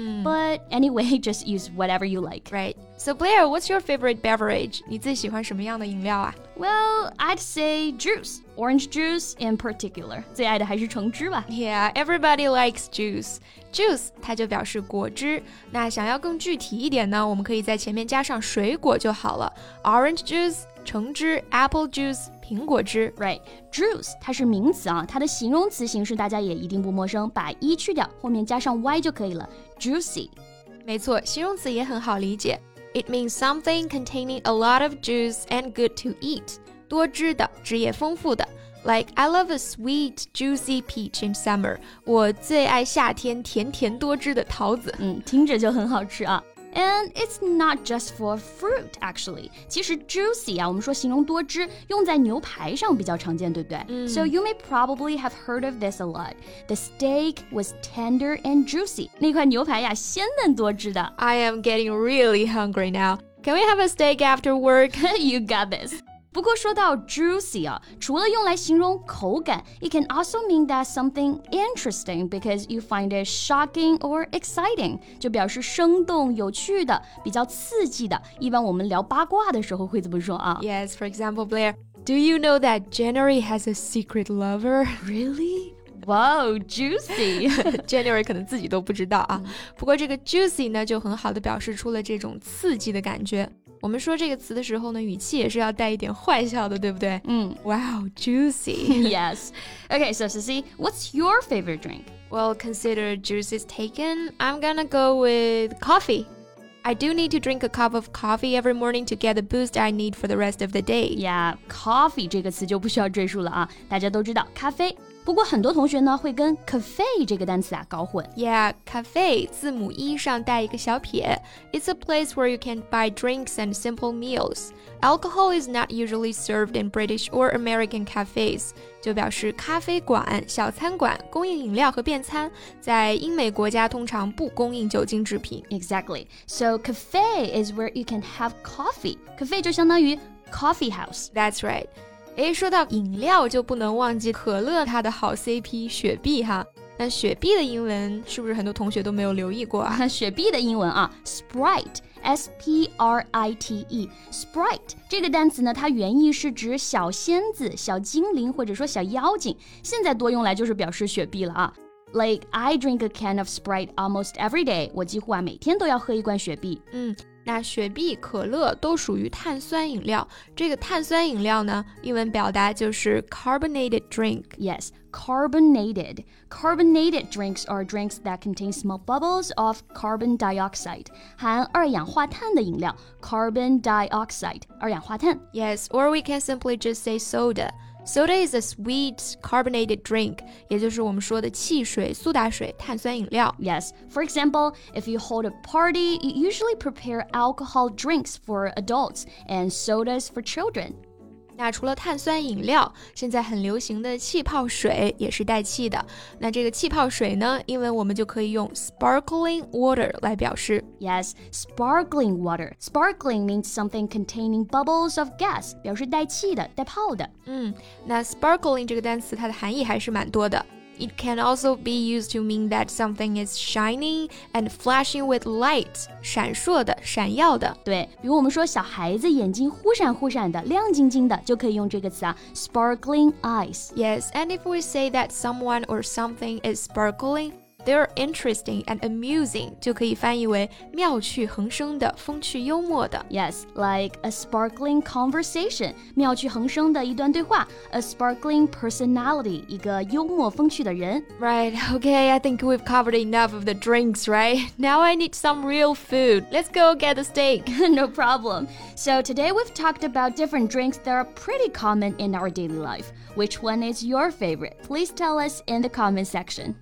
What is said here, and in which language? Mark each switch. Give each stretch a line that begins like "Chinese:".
English: But anyway, just use whatever you like. Right. So Blair, what's your favorite beverage?
Chinese: 你最喜欢什么样的饮料啊？
English: Well, I'd say juice. Orange juice in particular.
Chinese: 最爱的还是橙汁吧。
English: Yeah, everybody likes juice.
Chinese: Juice, 它就表示果汁。那想要更具体一点呢，我们可以在前面加上水果就好了。
English: Orange juice, 橙汁 apple juice, 苹果汁。
Chinese: Right, juice, 它是名词啊，它的形容词形式大家也一定不陌生。把一去掉，后面加上 y 就可以了。
English: Juicy.
Chinese: 没错，形容词也很好理解。
English: It means something containing a lot of juice and good to eat.
Chinese: 多汁的，汁也丰富的。
English: Like, I love a sweet, juicy peach in summer.
Chinese: 我最爱夏天甜甜多汁的桃子。听着就很好吃啊。
English: And it's not just for fruit, actually.
Chinese: 其实 juicy 啊，我们说形容多汁，用在牛排上比较常见，对不对？
English: So you may probably have heard of this a lot. The steak was tender and juicy.
Chinese: 那块牛排呀，鲜嫩多汁的。
English: I am getting really hungry now. Can we have a steak after work? You got this.
Chinese: 不过说到 juicy 啊，除了用来形容口感 ，
English: it can also mean that something interesting because you find it shocking or exciting，
Chinese: 就表示生动、有趣的、比较刺激的。一般我们聊八卦的时候会这么说啊。
English: Yes, for example, Blair, do you know that January has a secret lover? Really? Wow, juicy!
Chinese: January 可能自己都不知道啊。不过这个 juicy 呢，就很好地表示出了这种刺激的感觉。我们说这个词的时候呢，语气也是要带一点坏笑的，对不对？
English: Wow, juicy! Yes. Okay, so Sissy, what's your favorite drink? Well, consider juices taken. I'm gonna go with coffee. I do need to drink a cup of coffee every morning to get the boost I need for the rest of the day.
Chinese: Yeah, coffee 这个词就不需要赘述了啊，大家都知道咖啡。不过很多同学呢会跟 cafe 这个单词啊搞混。 Yeah, cafe 字母 E 上带一个小撇。
English: It's a place where you can buy drinks and simple meals. Alcohol is not usually served in British or American cafes.
Chinese: 就表示咖啡馆、小餐馆、供应饮料和便餐，在英美国家通常不供应酒精制品。
English: Exactly. So cafe is where you can have coffee. Cafe
Chinese: 就相当于
English: coffee house. That's right.
Chinese: 哎，说到饮料就不能忘记可乐它的好 CP 雪碧哈。那雪碧的英文是不是很多同学都没有留意过啊？雪碧的英文啊 ，Sprite, S-P-R-I-T-E, Sprite 这个单词呢，它原意是指小仙子、小精灵或者说小妖精，现在多用来就是表示雪碧了啊。
English: Like I drink a can of Sprite almost every day.
Chinese: 我几乎啊每天都要喝一罐雪碧。那雪碧、可乐都属于碳酸饮料。这个碳酸饮料呢，英文表达就是 carbonated drink.
English: Yes, carbonated. Carbonated drinks are drinks that contain small bubbles of carbon dioxide.
Chinese: 含二氧化碳的饮料 carbon dioxide, 二氧化碳。
English: Yes, or we can simply just say soda. Soda is a sweet carbonated drink,
Chinese: 也就是我们说的汽水、苏打水、碳酸饮料。
English: Yes, for example, if you hold a party, you usually prepare alcohol drinks for adults and sodas for children.
Chinese: 那除了碳酸饮料，现在很流行的气泡水也是带气的。那这个气泡水呢，英文我们就可以用 sparkling water 来表示。
English: Yes, sparkling water. Sparkling means something containing bubbles of gas,
Chinese: 表示带气的、带泡的。那 sparkling 这个单词它的含义还是蛮多的。
English: It can also be used to mean that something is shining and flashing with light,
Chinese: 闪烁的、闪耀的。对，比如我们说小孩子眼睛忽闪忽闪的、亮晶晶的，就可以用这个词啊 ,sparkling eyes.
English: Yes, and if we say that someone or something is sparkling,They're interesting and amusing,
Chinese: 就可以翻译为妙趣横生的、风趣幽默的。
English: Yes, like a sparkling conversation,
Chinese: 妙趣横生的一段对话。
English: A sparkling personality,
Chinese: 一个幽默风趣的人。
English: Right, okay, I think we've covered enough of the drinks, right? Now I need some real food. Let's go get the steak. No problem. So today we've talked about different drinks that are pretty common in our daily life. Which one is your favorite? Please tell us in the comment section.